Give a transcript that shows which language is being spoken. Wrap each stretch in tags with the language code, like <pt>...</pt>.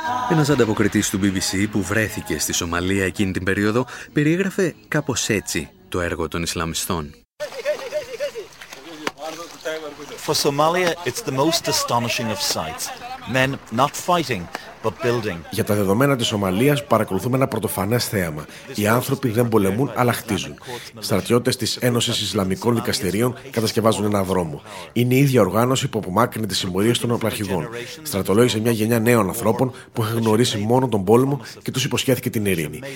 <el>Ένας ανταποκριτής του BBC που βρέθηκε στη Σομαλία εκείνη την περίοδο περιέγραφε κάπως έτσι το έργο των Ισλαμιστών.</el> <en>For Somalia, it's the most astonishing of sights. Men not fighting, but building.</en> <el>Για τα δεδομένα της Σομαλίας, παρακολουθούμε ένα πρωτοφανές θέαμα. Οι άνθρωποι δεν πολεμούν, αλλά χτίζουν. Στρατιώτες της Ένωσης Ισλαμικών Δικαστηρίων κατασκευάζουν έναν δρόμο. Είναι η ίδια οργάνωση που απομάκρυνε τις συμμορίες των οπλαρχηγών. Στρατολόγησε μια γενιά νέων ανθρώπων που είχαν γνωρίσει μόνο τον πόλεμο και τους υποσχέθηκε την ειρήνη.</el>